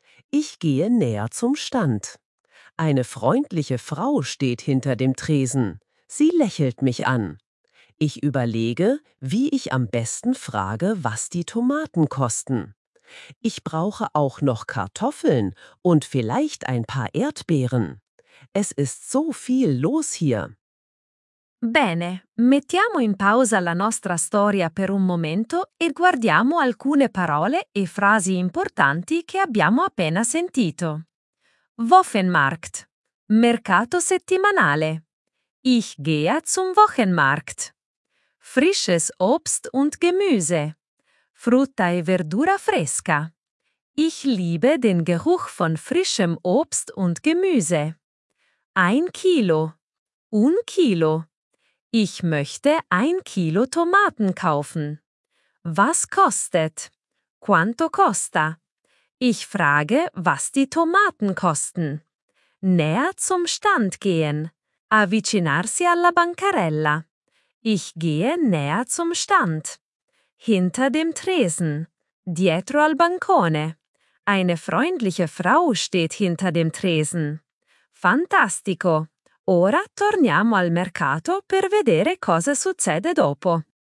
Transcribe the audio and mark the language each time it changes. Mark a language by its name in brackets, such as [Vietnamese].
[German] Ich gehe näher zum Stand. Eine freundliche Frau steht hinter dem Tresen. Sie lächelt mich an. Ich überlege, wie ich am besten frage, was die Tomaten kosten. Ich brauche auch noch Kartoffeln und vielleicht ein paar Erdbeeren. Es ist so viel los hier. [Italian] Bene, mettiamo in pausa la nostra storia per un momento e guardiamo alcune parole e frasi importanti che abbiamo appena sentito. Wochenmarkt, mercato settimanale. [German] Ich gehe zum Wochenmarkt. Frisches Obst und Gemüse. [Italian] Frutta e verdura fresca. [German] Ich liebe den Geruch von frischem Obst und Gemüse. Ein Kilo. Un Kilo. Ich möchte ein Kilo Tomaten kaufen. Was kostet? [Italian] Quanto costa? [German] Ich frage, was die Tomaten kosten. Näher zum Stand gehen. [Italian] Avvicinarsi alla bancarella. [German] Ich gehe näher zum Stand. Hinter dem Tresen. [Italian] Dietro al bancone. [German] Eine freundliche Frau steht hinter dem Tresen. [Italian] Fantastico! Ora torniamo al mercato per vedere cosa succede dopo.